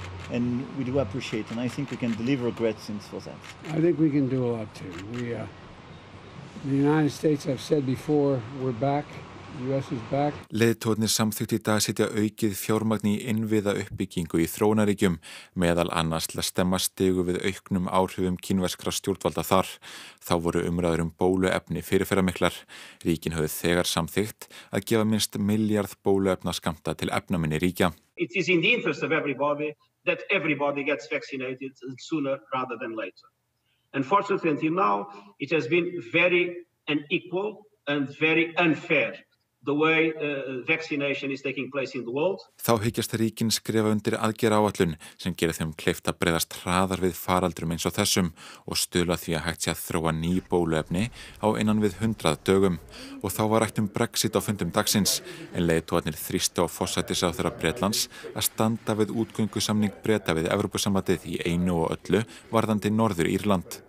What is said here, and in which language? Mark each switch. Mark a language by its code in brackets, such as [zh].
[en] And we do appreciate and I think we can deliver great things for that. I think we can do a lot too. The United States have said before we're back [is] Leiðtogarnir samþykktu í dag setja aukið fjármagn í innviða uppbyggingu í þróunarríkjum, meðal annars til að stemma stigu við auknum áhrifum kínverskra stjórnvalda þar. Þá voru umræður bóluefni fyrirferðarmiklar. Ríkin höfðu þegar samþykkt að gefa minnst milljarð bóluefna skammta til efnaminni ríkja. [en] It is in the interest of everybody that everybody gets vaccinated sooner rather than later. Unfortunately, until now, it has been very unequal and very unfair the way vaccination is taking place in the world. [is] Þá hyggjast ríkin skrifa undir aðgerð áætlun sem gera þeim kleift að breiðast hraðar við faraldrum eins og þessum og stuðla því að hægt sé að þróa ný bóluefni á innan við 100 dögum. Og þá var rætt Brexit á fundum dagsins en leiðtogarnir þrýstu á forsætisráðherra Bretlands að standa við útgöngusamning Breta við Evrópusambandið í einu og öllu varðandi Norður Írland.